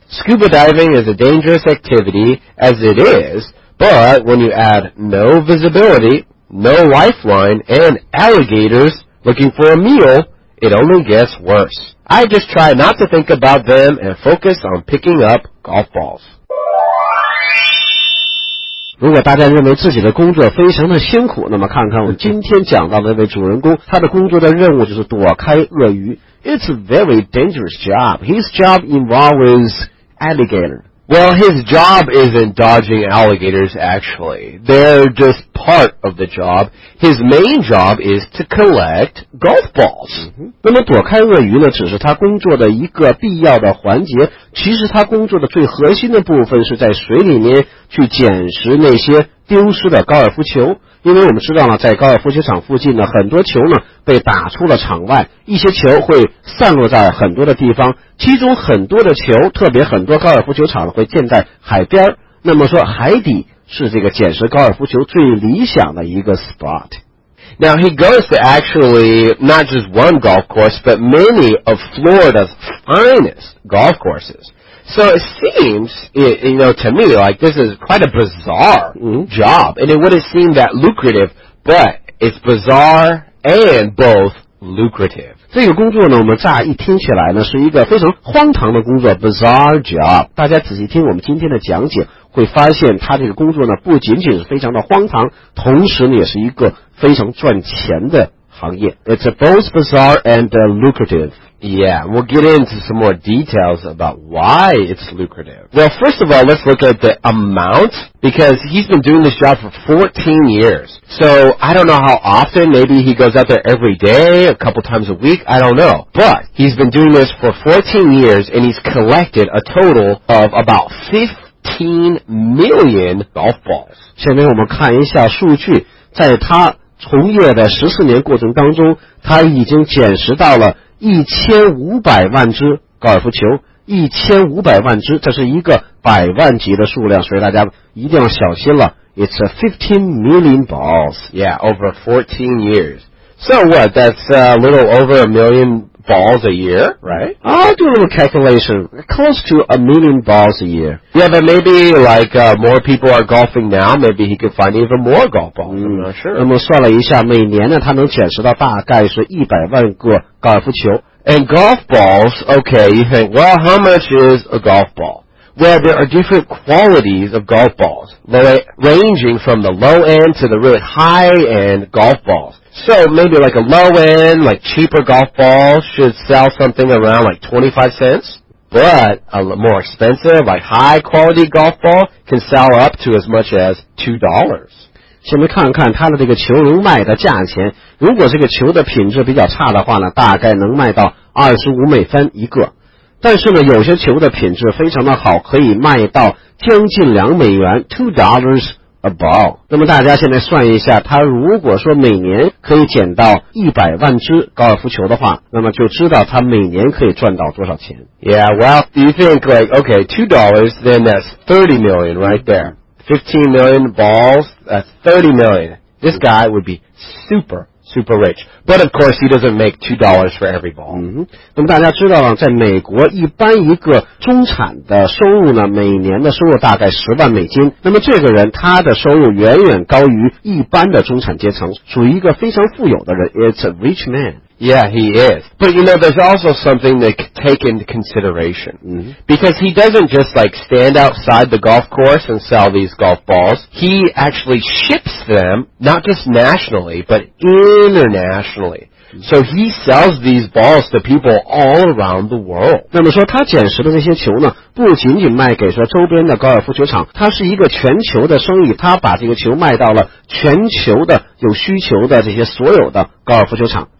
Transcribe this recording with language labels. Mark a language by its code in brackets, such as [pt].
[en] Scuba diving is a dangerous activity as it is,But when you add no visibility, no lifeline, and alligators looking for a meal, it only gets worse. I just try not to think about them and focus on picking up golf balls. [zh] 如果大家认为自己的工作非常的辛苦，那么看看我们今天讲到的那位主人公，他的工作的任务就是躲开鳄鱼。 [en] It's a very dangerous job. His job involves alligator. Well, his job isn't dodging alligators, actually. They're just part of the job. His main job is to collect golf balls. [zh] 那么躲开鳄鱼呢，只是他工作的一个必要的环节。其实他工作的最核心的部分是在水里面去捡拾那些丢失的高尔夫球，因为我们知道呢，在高尔夫球场附近呢，很多球呢被打出了场外，一些球会散落在很多的地方，其中很多的球，特别很多高尔夫球场会建在海边，那么说海底是这个捡拾高尔夫球最理想的一个 spot。 [en] Now he goes to actually not just one golf course, but many of Florida's finest golf courses. So it seems, you know, to me like this is quite a bizarre job. And it would have seemed that lucrative, but it's bizarre and both lucrative. [zh] 这个工作呢，我们乍一听起来呢，是一个非常荒唐的工作 , [en] bizarre job. [zh] 大家仔细听我们今天的讲解，会发现他这个工作呢，不仅仅是非常的荒唐，同时呢，也是一个非常赚钱的行业。 [en] It's both bizarre and lucrative. Yeah, we'll get into some more details about why it's lucrative. Well, first of all, let's look at the amount, because he's been doing this job for 14 years. So, I don't know how often, maybe he goes out there every day, a couple times a week, I don't know. But, he's been doing this for 14 years, and he's collected a total of about 15 million golf balls. [zh] 现在我们看一下数据，在他从业的14年过程当中，他已经捡拾到了1500万只高尔夫球，1500万只，这是一个百万级的数量，所以大家一定要小心了。 [en] It's a 15 million balls. Yeah, over 14 years. So what, that's a little over a million balls a year, right? I'll do a little calculation. Close to a million balls a year. Yeah, but maybe like, more people are golfing now, maybe he could find even more golf balls. I'm not sure. [zh] 那么算了一下，每年呢，他能捡拾到大概是100万个高尔夫球。 [en] And golf balls, okay, you think, well, how much is a golf ball? Well, there are different qualities of golf balls, ranging from the low end to the really high end golf balls. So maybe like a low end, like cheaper golf ball should sell something around like 25 cents. But a more expensive, like high quality golf ball can sell up to as much as $2. [zh] 先来看看它的这个球能卖的价钱。如果这个球的品质比较差的话呢，大概能卖到25美分一个。但是呢，有些球的品质非常的好，可以卖到将近2美元 $2. [en] A ball. [zh] 那么大家现在算一下，他如果说每年可以捡到100万只高尔夫球的话，那么就知道他每年可以赚到多少钱。 [en] Yeah, well, you think like, okay, $2, then that's 30 million right there. 15 million balls, that's 30 million. This guy would be super, super rich. But of course, he doesn't make $2 for every ball. [zh] 那么大家知道了，在美国一般一个中产的收入呢，每年的收入大概$100,000。那么这个人他的收入远远高于一般的中产阶层，属于一个非常富有的人。 [en] It's a rich man. Yeah, he is. But you know, there's also something they take into consideration. Because he doesn't just like stand outside the golf course and sell these golf balls. He actually ships them, not just nationally, but internationally. So he sells these balls to people all around the world. [zh] 那么说他捡拾的这些球呢，不仅仅卖给说周边的高尔夫球场，他是一个全球的生意，他把这个球卖到了全球的有需求的这些所有的高尔夫球场。